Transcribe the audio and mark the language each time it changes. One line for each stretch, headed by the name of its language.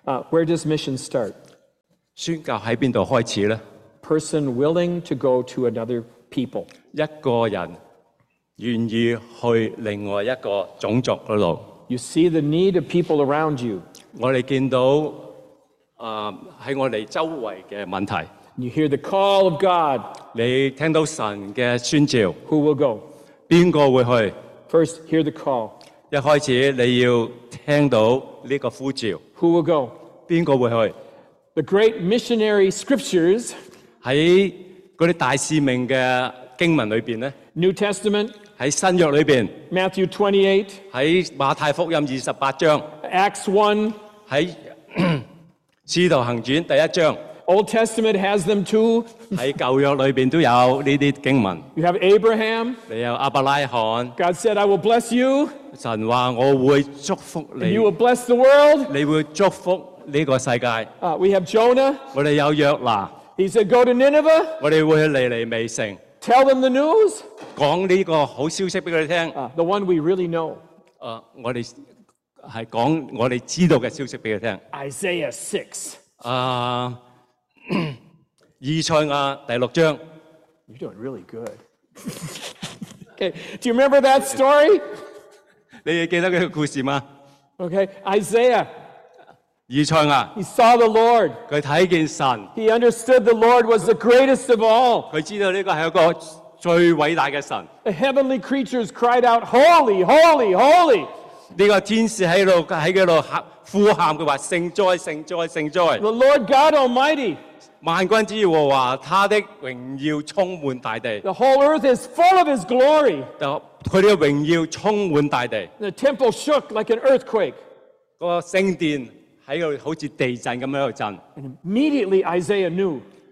English: Where does mission start?
Chinese: 宣教在哪里开始呢?
English: Person willing to go to another people.
Chinese: 一个人愿意去另外一个种族那里。
English: You see the need of people around you.
Chinese: 我们看到在我们周围的问题。
English: You hear the call of God.
Chinese: 你听到神的宣召。
English: Who will go?
Chinese: 谁会去?
English: First, hear the call.
Chinese: 一开始你要听到这个呼召。
English: Who will go?
Chinese: 谁会去?
English: The great missionary scriptures.
Chinese: 在那些大使命的经文里面呢?
English: New Testament.
Chinese: 在新約裏面
English: Matthew 28,
Chinese: 在馬太福音28章
English: Acts 1,
Chinese: 在使徒行傳第一章
English: Old Testament has them too.
Chinese: 在舊約裏面都有這些經文
English: You have Abraham,
Chinese: 你有亞伯拉罕
English: God said, I will bless you.
Chinese: 神說我會祝福你
English: You will bless the world.
Chinese: 你會祝福這個世界
English: We have Jonah.
Chinese: 我們有約拿
English: He said, go to Nineveh.
Chinese: 我們會去尼尼微城
English: Tell them the news.
Chinese: 讲这个好消息给他们听。
English: The one we really know.
Chinese: 我们是讲我们知道的消息给他们听。
English: Isaiah 6.
Chinese: 以赛亚第六章。
English: You're doing really good. Okay, do you remember that story?
Chinese: 你记得这个故事吗?
English: Okay, Isaiah.
Chinese: 以赛亚,
English: he saw the Lord.
Chinese: 他看见神。
English: He understood the Lord was the greatest of all.
Chinese: 他知道这个是一个最伟大的神。
English: The heavenly creatures cried out, Holy, holy, holy!
Chinese: 这个天使在那里呼喊，他说，圣哉，圣哉，圣哉。
English: The Lord God Almighty.
Chinese: 万军之耶和华，他的荣耀充满大地。
English: The whole earth is full of his glory.
Chinese: 他的荣耀充满大地。
English: The temple shook like an earthquake.
Chinese: 那个圣殿在那里好像地震一样震。
English: And immediately Isaiah knew.